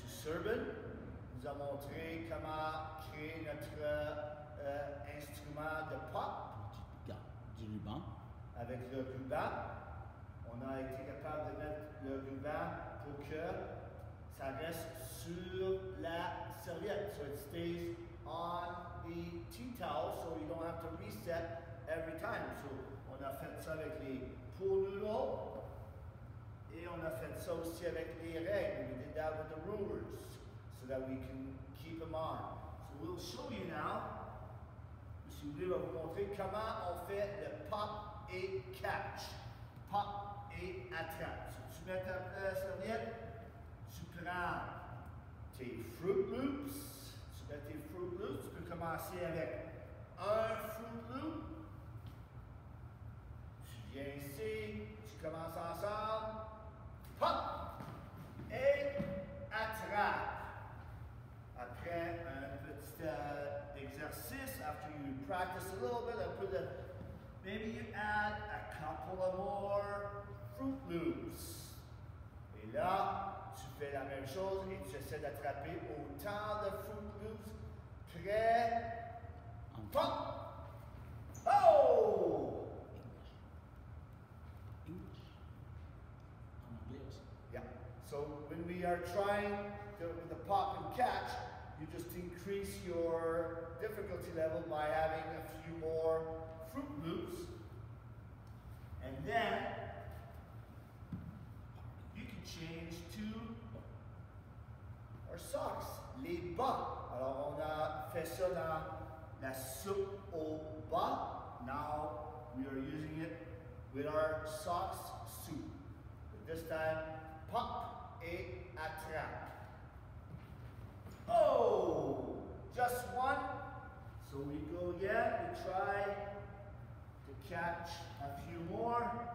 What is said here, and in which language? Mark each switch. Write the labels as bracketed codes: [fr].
[fr] Serban nous a montré comment créer notre instrument de pop. Du ruban. Avec le ruban. On a été capable de mettre le ruban pour que ça reste sur la serviette. [en] So it stays on the tea towel so you don't have to reset every time. [fr] So on a fait ça avec les pool noodles et on a fait ça aussi avec les règles. [en] We did that with the rulers so that we can keep them on. So we'll show you now. [fr] Monsieur Louis va vous montrer comment on fait le pop et catch. Pop et attrape. Si tu mets ta serviette, tu prends tes Fruit Loops. Tu mets tes Fruit Loops. Tu peux commencer avec un Fruit Loop. Tu viens ici. Tu commences ensemble. Pop et attrape. Après un petit exercice, [en] after you practice a little bit, I put the maybe you add a couple of more Fruit Loops. [fr] Et là, tu fais la même chose et tu essaies d'attraper autant de Fruit Loops. Prêt? Pop! Oh! [en] English. I'm a bit. Yeah. So when we are trying the pop and catch, you just increase your difficulty level by having a few more Fruit Loops. And then you can change to our socks, [fr] les bas. Alors on a fait ça dans la soupe au bas. [en] Now we are using it with our socks soup. But this time, [fr] pop et attrape. [en] Oh, just one. So we go again, we try to catch a few more.